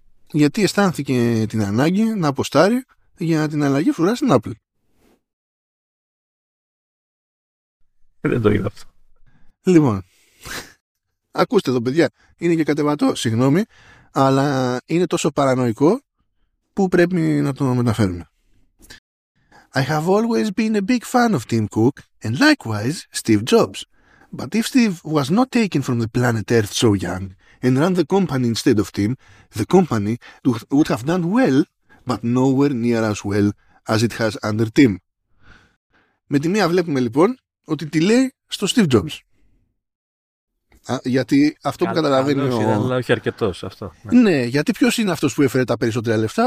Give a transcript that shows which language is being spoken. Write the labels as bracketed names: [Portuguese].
[Greek] Γιατί αισθάνθηκε την ανάγκη να αποστάρει για την αλλαγή φρουρά στην Apple. Δεν το είδα αυτό. Λοιπόν, ακούστε εδώ παιδιά, είναι και κατεβατό, συγγνώμη, αλλά είναι τόσο παρανοϊκό που πρέπει να το μεταφέρουμε. [English] I have always been a big fan of Tim Cook and likewise Steve Jobs. But if Steve was not taken from the planet Earth so young and ran the company instead of Tim, the company would have done well, but nowhere near as well as it has under Tim. [Greek] Με τη μία βλέπουμε λοιπόν ότι τη λέει στο Steve Jobs. Γιατί αυτό που καταλαβαίνει όχι, ο... Αλλά όχι αρκετός αυτό. Ναι, γιατί ποιος είναι αυτός που έφερε τα περισσότερα λεφτά?